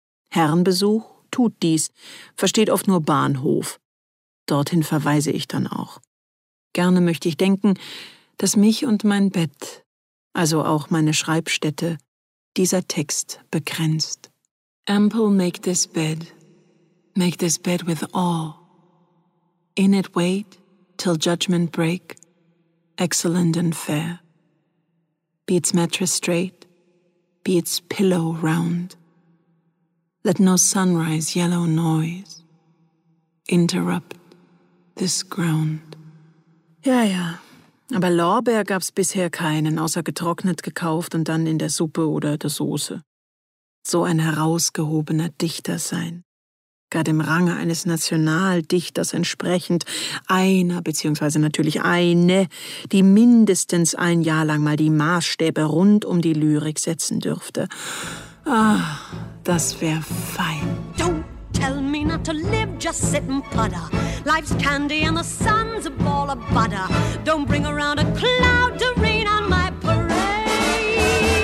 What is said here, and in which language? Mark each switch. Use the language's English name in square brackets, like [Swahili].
[German] Herrenbesuch tut dies, versteht oft nur Bahnhof. Dorthin verweise ich dann auch. Gerne möchte ich denken, dass mich und mein Bett, also auch meine Schreibstätte, dieser Text begrenzt. [English] Ample make this bed with awe. In it wait till judgment break, excellent and fair. Be its mattress straight, be its pillow round. Let no sunrise yellow noise interrupt this ground. [German] Ja, ja, aber Lorbeer gab's bisher keinen, außer getrocknet gekauft und dann in der Suppe oder der Soße. So ein herausgehobener Dichter sein, gar dem Range eines Nationaldichters entsprechend, einer beziehungsweise natürlich eine, die mindestens ein Jahr lang mal die Maßstäbe rund um die Lyrik setzen dürfte. Ah, das wäre fein. [English] Don't tell me not to live, just sit and putter. Life's candy and the sun's a ball of butter. Don't bring around a cloud to rain on my parade.